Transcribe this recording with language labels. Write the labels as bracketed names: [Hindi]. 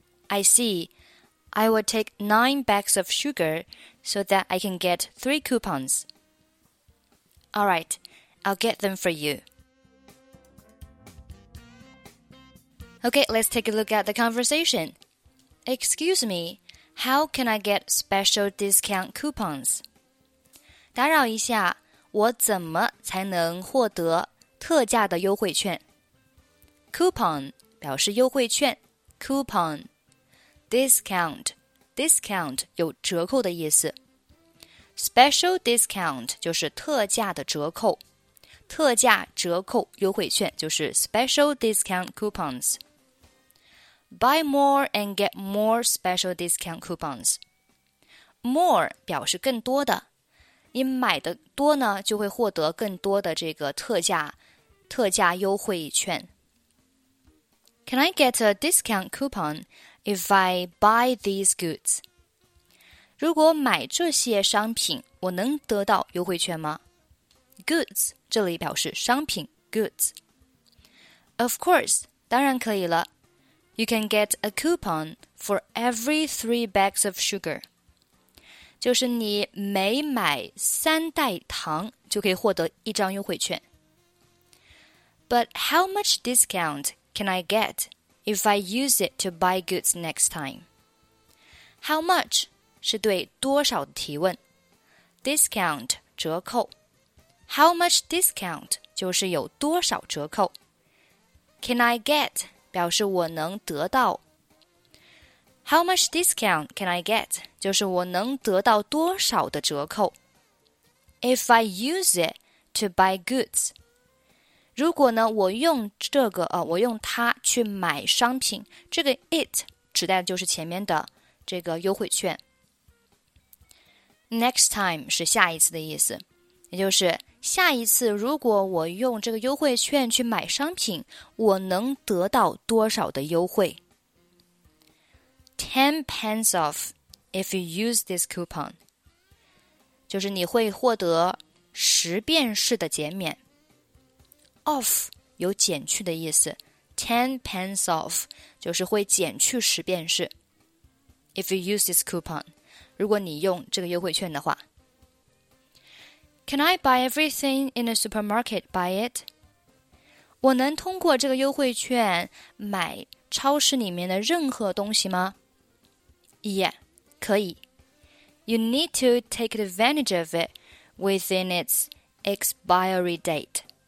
[English] I see. I will take 9 bags of sugar so that I can get 3 coupons. All right, I'll get them for you. Okay, let's take a look at the conversation. Excuse me, how can I get special discount coupons? [Chinese] 打扰一下，我怎么才能获得特价的优惠券？ Coupon 表示优惠券， coupon. Discount, discount 有折扣的意思。 Special discount 就是特价的折扣，特价折扣优惠券就是 [English] special discount coupons. Buy more and get more special discount coupons. [Chinese] More 表示更多的，你买的多呢，就会获得更多的这个特价优惠券。 [English] Can I get a discount coupon if I buy these goods? [Chinese] 如果买这些商品，我能得到优惠券吗？ Goods 这里表示商品 goods. [English] Of course, [Chinese] 当然可以了。 [English] You can get a coupon for every 3 bags of sugar. [Chinese] 就是你每买三袋糖就可以获得一张优惠券。 [English] But how much discount can I get if I use it to buy goods next time? How much [Chinese] 是对多少的提问。 Discount 折扣。 [English] How much discount [Chinese] 就是有多少折扣。 [English] Can I get... [Chinese] 表示我能得到 [English] How much discount can I get? [Chinese] 就是我能得到多少的折扣 [English] If I use it to buy goods [Chinese] 如果呢我用这个、我用它去买商品这个 it 指代就是前面的这个优惠券 [English] Next time [Chinese] 是下一次的意思也就是下一次如果我用这个优惠券去买商品我能得到多少的优惠 [English] 10 pence off if you use this coupon [Chinese] 就是你会获得10便士的减免 off 有减去的意思 [English] 10 pence off [Chinese] 就是会减去10便士 [English] if you use this coupon [Chinese] 如果你用这个优惠券的话 [English] Can I buy everything in a supermarket by it? [Chinese] 我能通过这个优惠券买超市里面的任何东西吗? Yeah, 可以。 [English] You need to take advantage of it within its expiry date.